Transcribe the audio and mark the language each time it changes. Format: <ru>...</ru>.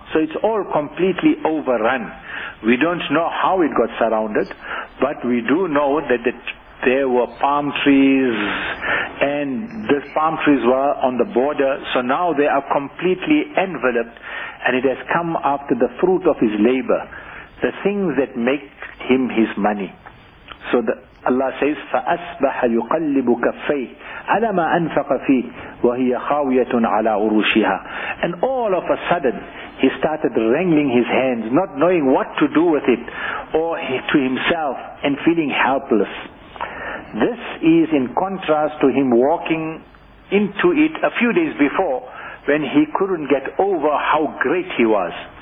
<en>So it's all completely overrun. We don't know how it got surrounded, but we do know that there were palm trees, and the palm trees were on the border. So now they are completely enveloped, and it has come after the fruit of his labor, the things that make him his money.</en> <ar>So Allah says, فَأَصْبَحَ يُقَلِّبُ كَفَّيْهِ عَلَى مَا أَنْفَقَ فِيهِ وَهِيَ خَاوِيَةٌ عَلَىٰ عُرُوشِهَا.</ar> <en>And all of a sudden, he started wringing his hands, not knowing what to do with it, or to himself, and feeling helpless. This is in contrast to him walking into it a few days before, when he couldn't get over how great he was.</en>